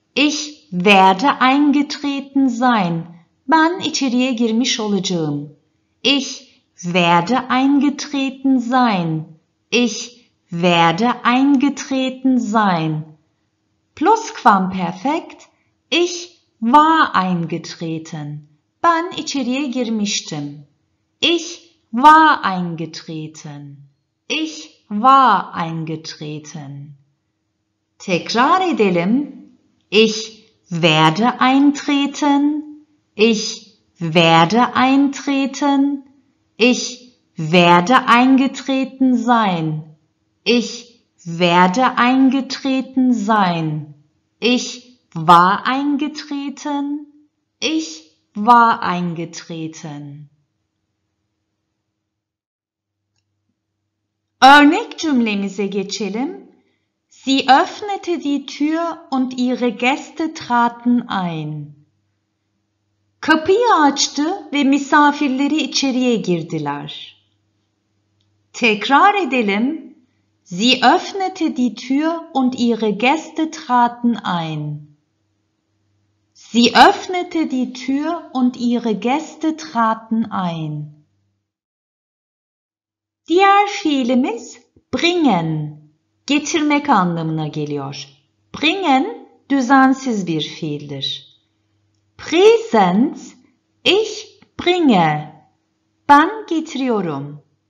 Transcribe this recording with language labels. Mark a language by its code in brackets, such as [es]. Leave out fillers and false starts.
[de] Ich werde eingetreten sein. [tr] Ben içeriye girmiş olacağım. [de] Ich werde eingetreten sein. Ich werde eingetreten sein. Plusquamperfekt. Ich war eingetreten. [tr] Ben içeriye girmiştim. [de] Ich war eingetreten. Ich war eingetreten. [tr] Tekrar edelim. [de] Ich werde eintreten. Ich werde eintreten. Ich werde eingetreten sein. Ich werde eingetreten sein. Ich war eingetreten. Ich war eingetreten. [tr] Örnek cümlemize geçelim. [de] Sie öffnete die Tür und ihre Gäste traten ein. [tr] Kapıyı açtı ve misafirleri içeriye girdiler. Tekrar edelim. [de] Sie öffnete die Tür und ihre Gäste traten ein. Sie öffnete die Tür und ihre Gäste traten ein. [tr] Diğer fiilimiz bringen, getirmek anlamına geliyor. Bringen, düzensiz bir fiildir. [de] Präsent, ich bringe, [tr] ben getiriyorum.